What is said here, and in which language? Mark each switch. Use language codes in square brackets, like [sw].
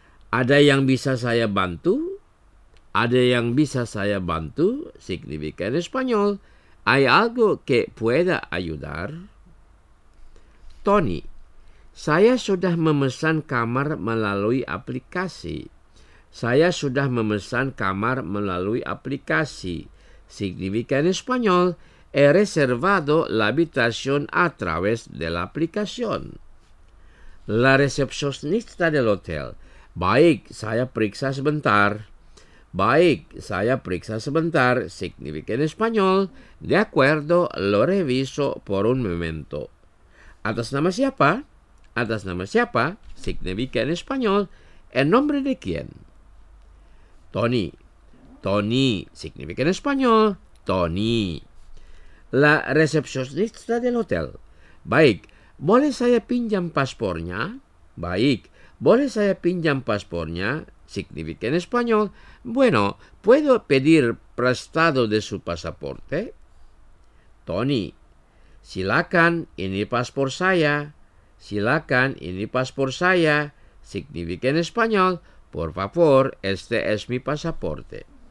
[id] ¿Ada yang bisa saya bantu? ¿Ada yang bisa saya bantu? [es] Significa en español: ¿hay algo que pueda ayudar? [id] Tony: saya sudah memesan kamar melalui aplikasi. Saya sudah memesan kamar melalui aplikasi. [es] Significa en español: he reservado la habitación a través de la aplicación. La recepcionista del hotel: [id] baik, saya periksa sebentar. Baik, saya periksa sebentar. [es] Significa en español: de acuerdo, lo reviso por un momento. [id] ¿Atas nama siapa? ¿Atas nama siapa? [es] Significa en español: ¿en nombre de quién? Tony: Tony, significa en español, Tony. La recepcionista del hotel: [id] baik, boleh saya pinjam paspornya? Baik, boleh saya pinjam paspornya? [es] Significa en español: bueno, ¿puedo pedir prestado de su pasaporte? [id] Tony: silakan, ini paspor saya. Silakan, ini paspor saya. [es] Significa en español: por favor, este es mi pasaporte.